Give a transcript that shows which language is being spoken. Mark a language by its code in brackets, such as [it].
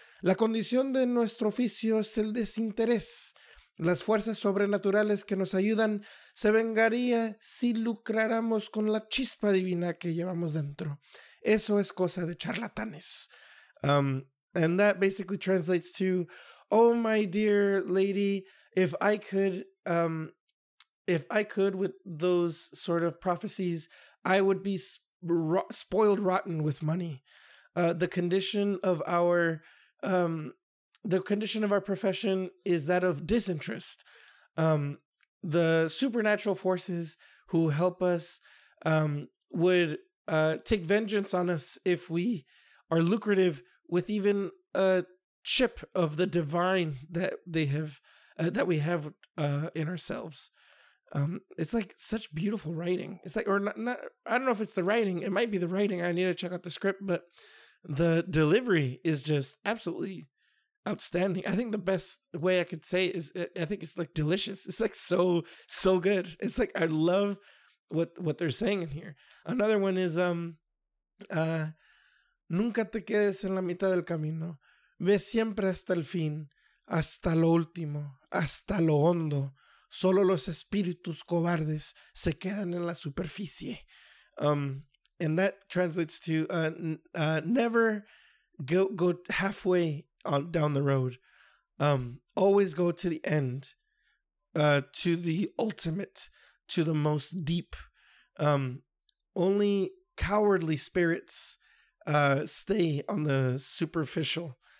[es] La condición de nuestro oficio es el desinterés. Las fuerzas sobrenaturales que nos ayudan se vengaría si lucráramos con la chispa divina que llevamos dentro. Eso es cosa de charlatanes. [en] And that basically translates to, oh, my dear lady, if I could with those sort of prophecies, I would be spoiled rotten with money. The condition of our the condition of our profession is that of disinterest. The supernatural forces who help us would take vengeance on us if we are lucrative with even a chip of the divine that they have, that we have in ourselves. It's like such beautiful writing. It's like, or not, I don't know if it's the writing. It might be the writing. I need to check out the script, but the delivery is just absolutely outstanding. I think the best way I could say is, I think it's like delicious. It's like so, so good. It's like, I love what they're saying in here. Another one is, [es] nunca te quedes en la mitad del camino. Ve siempre hasta el fin, hasta lo último, hasta lo hondo. Solo los espíritus cobardes se quedan en la superficie. [en] And that translates to never go halfway on down the road. Always go to the end, to the ultimate, to the most deep. Only cowardly spirits stay on the superficial.